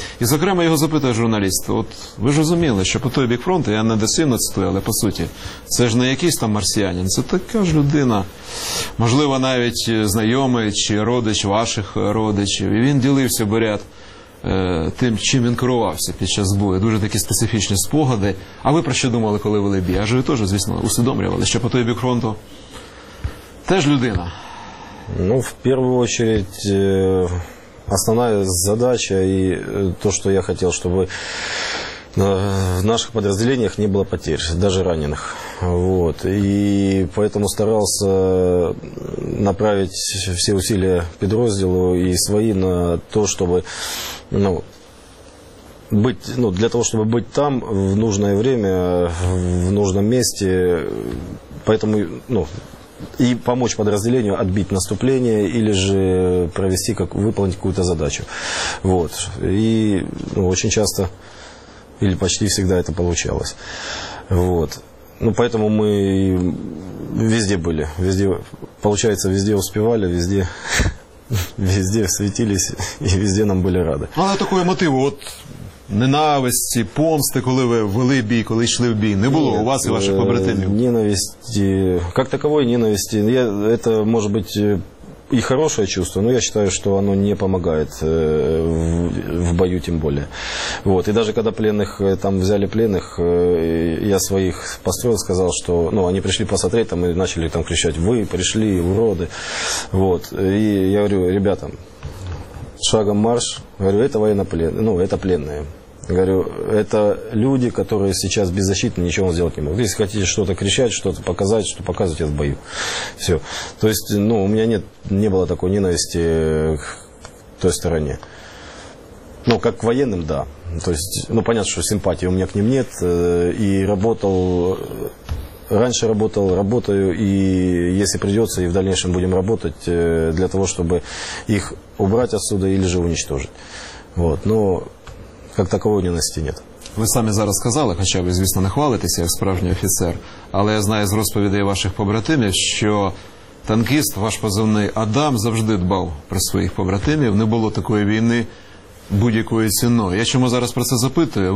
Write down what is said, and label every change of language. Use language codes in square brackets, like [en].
[uk] І, зокрема, його запитує журналіст, от ви ж розуміли, що по той бік фронту, я не досильно цитую, але по суті, це ж не якийсь там марсіанин, це така ж людина, можливо, навіть знайомий чи родич ваших родичів. І він ділився бурят тим, чим він керувався під час бою. Дуже такі специфічні спогади. А ви про що думали, коли вели бій? А ж ви теж, звісно, усвідомлювали, що по той бік фронту теж людина. [ru] Ну, в першу чергу, основная задача и то, что я хотел, чтобы в наших подразделениях не было потерь, даже раненых. Вот. И поэтому старался направить все усилия подразделу и свои на то, чтобы, ну, быть, ну, для того, чтобы быть там в нужное время, в нужном месте. Поэтому, ну, и помочь подразделению отбить наступление или же провести, как выполнить какую-то задачу. Вот. И, ну, очень часто или почти всегда это получалось. Вот. Ну, поэтому мы везде были. Везде, получается, везде успевали, везде [uk] везде світились і везде нам були ради. Але такої мотиву, от ненависті, помсти, коли ви вели бій, коли йшли в бій, не було у вас і ваших побратимів? Ненависті, як такової ненависті, це може бути і [ru] хороше чувство, но я считаю, что оно не помогает в бою, тем более. Вот. И даже когда пленных там взяли пленных, я своих построил, сказал, что ну, они пришли посмотреть, там, и начали там кричать: вы пришли, уроды. Вот. И я говорю: ребята, шагом марш, говорю, это военнопленные, ну, это пленные. Говорю, это люди, которые сейчас беззащитны, ничего сделать не могут. Если хотите что-то кричать, что-то показать, что показывать, я в бою. Все. То есть, ну, у меня не было такой ненависти к той стороне. Ну, как к военным, да. То есть, ну, понятно, что симпатии у меня к ним нет. И работал, раньше работал, работаю, и если придется, и в дальнейшем будем работать для того, чтобы их убрать отсюда или же уничтожить. Вот, но... [uk] Як такової ненависті нет. Ви самі зараз сказали, хоча ви, звісно, не хвалитеся як справжній офіцер, але я знаю з розповідей ваших побратимів, що танкіст, ваш позивний Адам, завжди дбав про своїх побратимів. Не було такої війни будь-якою ціною. Я чому зараз про це запитую?